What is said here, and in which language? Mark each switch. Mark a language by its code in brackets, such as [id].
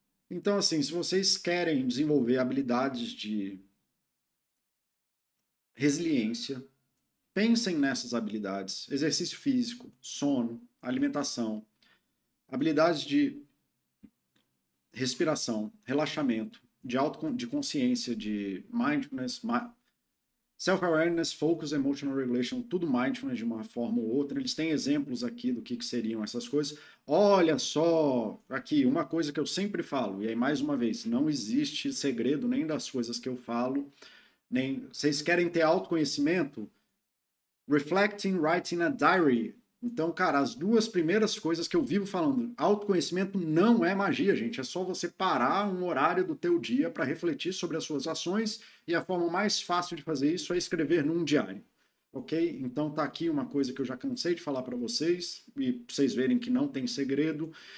[pt] Então, assim, se vocês querem desenvolver habilidades de resiliência, pensem nessas habilidades: exercício físico, sono, alimentação, habilidades de respiração, relaxamento, de consciência, de mindfulness, self-awareness, focus, emotional regulation, tudo mindfulness de uma forma ou outra. Eles têm exemplos aqui do que seriam essas coisas. Olha só, aqui, uma coisa que eu sempre falo, e aí mais uma vez, não existe segredo nem das coisas que eu falo. Nem, vocês querem ter autoconhecimento? [en] Reflecting, writing a diary. [pt] Então, cara, as duas primeiras coisas que eu vivo falando, autoconhecimento não é magia, gente. É só você parar um horário do teu dia para refletir sobre as suas ações e a forma mais fácil de fazer isso é escrever num diário, ok? Então, tá aqui uma coisa que eu já cansei de falar para vocês e pra vocês verem que não tem segredo.